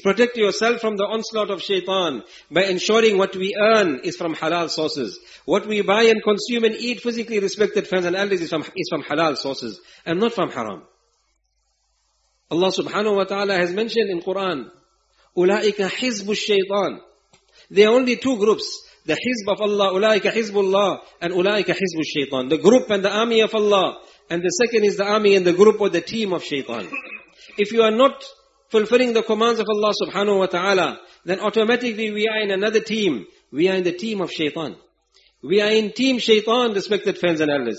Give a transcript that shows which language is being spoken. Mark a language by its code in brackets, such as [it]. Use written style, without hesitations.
[en] Protect yourself from the onslaught of shaitan by ensuring what we earn is from halal sources. What we buy and consume and eat physically, respected friends and allies, is from halal sources and not from haram. Allah subhanahu wa ta'ala has mentioned in Quran, [ar] أُولَٰئِكَ حِزْبُ الشَّيْطَانِ. [en] There are only two groups. [ar] The حِزْب of Allah, أُولَٰئِكَ حِزْبُ اللَّهِ, and أُولَٰئِكَ حِزْبُ الشَّيْطَانِ. [en] The group and the army of Allah. And the second is the army and the group or the team of shaitan. If you are not fulfilling the commands of Allah subhanahu wa ta'ala, then automatically we are in another team. We are in the team of shaitan. We are in team shaitan, respected friends and elders.